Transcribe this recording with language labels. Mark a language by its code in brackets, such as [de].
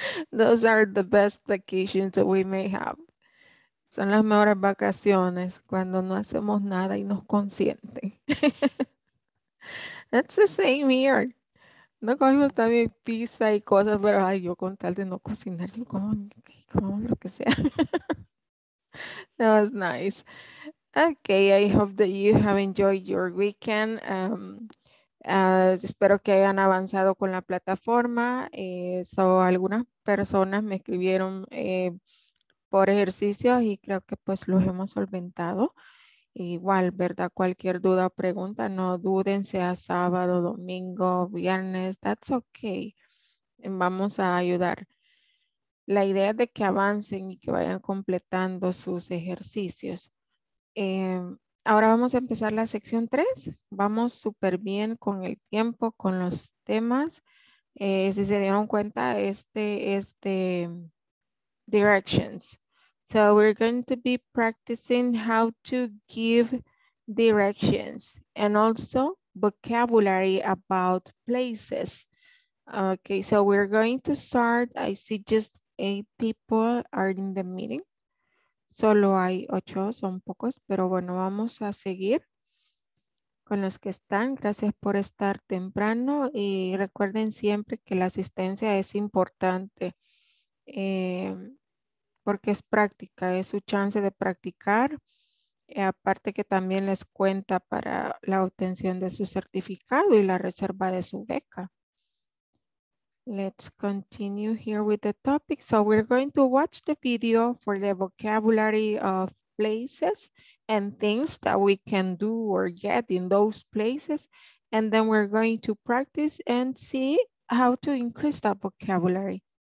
[en] Those are the best vacations that we may have. [es] Son las mejores vacaciones cuando no hacemos nada y nos consienten. [en] That's the same here. [es] No comemos también pizza y cosas, pero ay, yo con tal de no cocinar, yo como lo que sea. [en] That was nice. Okay, I hope that you have enjoyed your weekend. [es] Espero que hayan avanzado con la plataforma. So, algunas personas me escribieron por ejercicios y creo que pues los hemos solventado. Igual, ¿verdad? Cualquier duda o pregunta, no duden, sea sábado, domingo, viernes, [en] that's okay. [es] Vamos a ayudar. La idea es de que avancen y que vayan completando sus ejercicios. Ahora vamos a empezar la sección 3. Vamos súper bien con el tiempo, con los temas. Si se dieron cuenta, este es de directions. [en] So we're going to be practicing how to give directions and also vocabulary about places. Okay, so we're going to start. I see just 8 people are in the meeting. [es] Solo hay 8, son pocos, pero bueno, vamos a seguir con los que están. Gracias por estar temprano y recuerden siempre que la asistencia es importante. Porque es práctica, es su chance de practicar. Aparte que también les cuenta para la obtención de su certificado y la reserva de su beca. [en] Let's continue here with the topic. So we're going to watch the video for the vocabulary of places and things that we can do or get in those places. And then we're going to practice and see how to increase that vocabulary.